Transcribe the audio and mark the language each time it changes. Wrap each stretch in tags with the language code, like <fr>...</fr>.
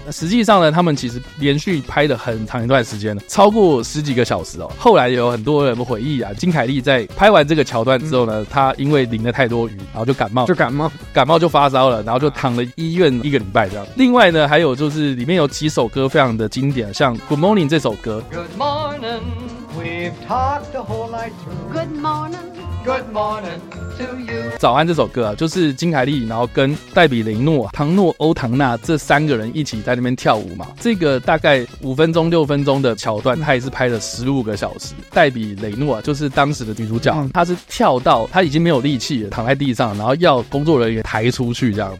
<zh>实际上呢，他们其实连续拍了很长一段时间了，超过十几个小时哦。后来有很多人回忆啊，金凯利在拍完这个桥段之后呢，他因为淋了太多雨，然后就感冒就发烧了，然后就躺了医院一个礼拜这样。另外呢，还有就是里面有几首歌非常的经典，像 Good Morning 这首歌。</zh> <en>Good morning, we've talked the whole night through. Good morning. Good morning to you.</en> <zh>早安这首歌啊，就是金凯利然后跟黛比雷诺、唐诺、欧唐纳这三个人一起在那边跳舞嘛。这个大概五分钟六分钟的桥段，他也是拍了15个小时。黛比雷诺就是当时的女主角，她是跳到她已经没有力气了，躺在地上，然后要工作人员抬出去这样。</zh>